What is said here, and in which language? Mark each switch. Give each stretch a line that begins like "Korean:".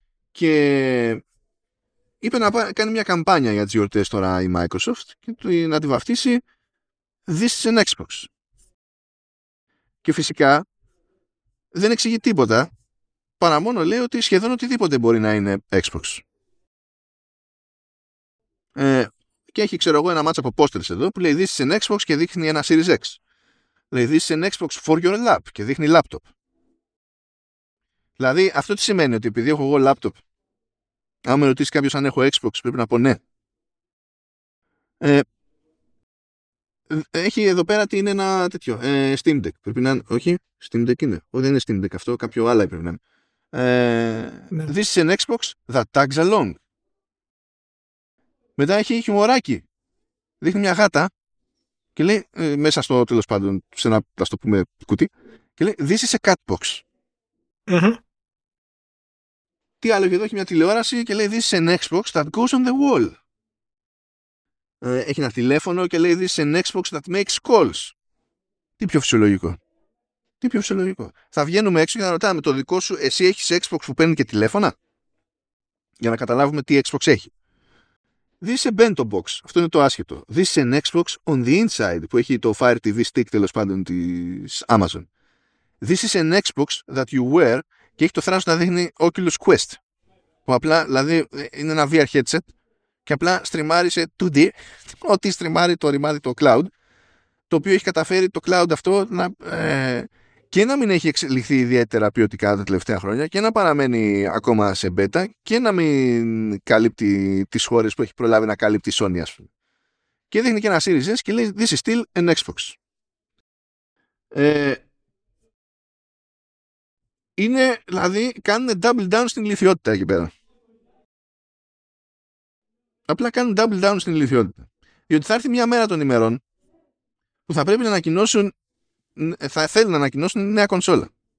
Greek: Και είπε να κάνει μια καμπάνια για τις γιορτές τώρα η Microsoft και να τη βαφτίσει
English: This is an Xbox.
Greek: Και φυσικά δεν εξηγεί τίποτα, παρά μόνο λέει ότι σχεδόν οτιδήποτε μπορεί να είναι Xbox. Και έχει, ξέρω εγώ, ένα μάτσο από posters εδώ που λέει
English: This is an Xbox
Greek: και δείχνει ένα Series X. Λέει
English: This is an Xbox for your lap
Greek: και δείχνει laptop. Δηλαδή αυτό τι σημαίνει, ότι επειδή έχω εγώ laptop, άμα με ρωτήσει κάποιος αν έχω Xbox, πρέπει να πω ναι. Έχει εδώ πέρα τι είναι ένα τέτοιο. Steam Deck. Πρέπει να, όχι, Steam Deck είναι. Όχι, δεν είναι Steam Deck αυτό, κάποιο άλλο πρέπει να είναι. Ναι.
English: This is an Xbox that tags along.
Greek: Μετά έχει χιουμοράκι. Δείχνει μια γάτα και λέει, μέσα στο, τέλος πάντων, σε ένα, ας το πούμε, κουτί, και λέει
English: This is a cat box.
Greek: Τι άλλο, εδώ έχει μια τηλεόραση και λέει
English: This is an Xbox that goes on the wall.
Greek: Έχει ένα τηλέφωνο και λέει
English: This is an Xbox that makes calls.
Greek: Τι πιο φυσιολογικό. Τι πιο φυσιολογικό. Θα βγαίνουμε έξω και θα ρωτάμε το δικό σου, εσύ έχεις Xbox που παίρνει και τηλέφωνα? Για να καταλάβουμε τι Xbox έχει.
English: This is a bento box.
Greek: Αυτό είναι το άσχετο.
English: This is an Xbox on the inside
Greek: που έχει το Fire TV Stick, τέλος πάντων, της Amazon.
English: This is an Xbox that you wear.
Greek: Και έχει το θράσο να δείχνει Oculus Quest. Που απλά, δηλαδή, είναι ένα VR headset και απλά στριμάρει σε 2D ό,τι στριμάρει το ρημάδι το cloud, το οποίο έχει καταφέρει το cloud αυτό να, και να μην έχει εξελιχθεί ιδιαίτερα ποιοτικά τα τελευταία χρόνια και να παραμένει ακόμα σε beta και να μην καλύπτει τις χώρες που έχει προλάβει να καλύπτει η Sony, ας πούμε. Και δείχνει και ένα Series S και λέει
English: This is still an Xbox.
Greek: Είναι, δηλαδή, κάνουν double down στην ηλιθιότητα εκεί πέρα. Απλά κάνουν double down στην ηλιθιότητα. Διότι θα έρθει μια μέρα των ημερών που θα πρέπει να ανακοινώσουν, θα θέλουν να ανακοινώσουν νέα κονσόλα.